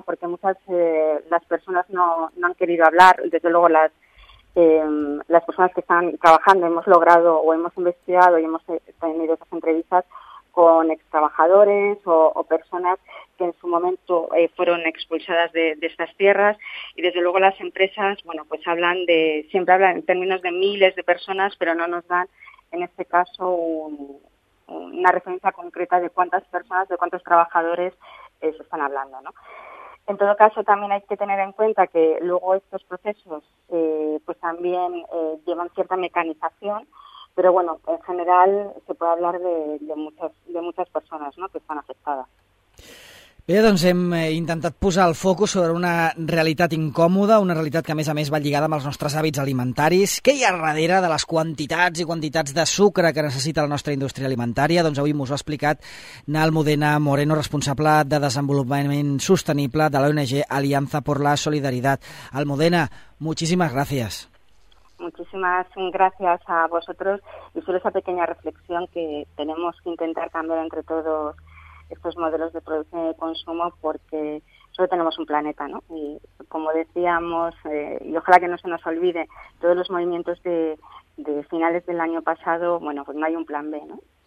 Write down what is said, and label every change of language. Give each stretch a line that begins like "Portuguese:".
Spanish: Porque muchas las personas no han querido hablar, desde luego las personas que están trabajando, hemos logrado o hemos investigado y hemos tenido esas entrevistas con extrabajadores o personas que en su momento fueron expulsadas de estas tierras, y desde luego las empresas, bueno, pues siempre hablan en términos de miles de personas, pero no nos dan en este caso una referencia concreta de cuántas personas, de cuántos trabajadores se están hablando, ¿no? En todo caso, también hay que tener en cuenta que luego estos procesos pues también llevan cierta mecanización, pero bueno, en general se puede hablar de muchas personas, ¿no?, que están afectadas.
Catalan: Bé, doncs hem intentat posar el focus sobre una realitat incòmoda, una realitat que a més va lligada amb els nostres hàbits alimentaris. Què hi ha darrere de les quantitats i quantitats de sucre que necessita la nostra indústria alimentària? Doncs avui m'ho ha explicat Nahal Modena Moreno, responsable de desenvolupament sostenible de l'ONG Alianza por la Solidaridad. Al Modena, moltíssimes gràcies.
Spanish: Muchísimas gracias a vosotros, y solo esa pequeña reflexión que tenemos que intentar cambiar entre todos estos modelos de producción y consumo, porque solo tenemos un planeta, ¿no? Y como decíamos, y ojalá que no se nos olvide, todos los movimientos de finales del año pasado, bueno, pues no hay un plan B, ¿no?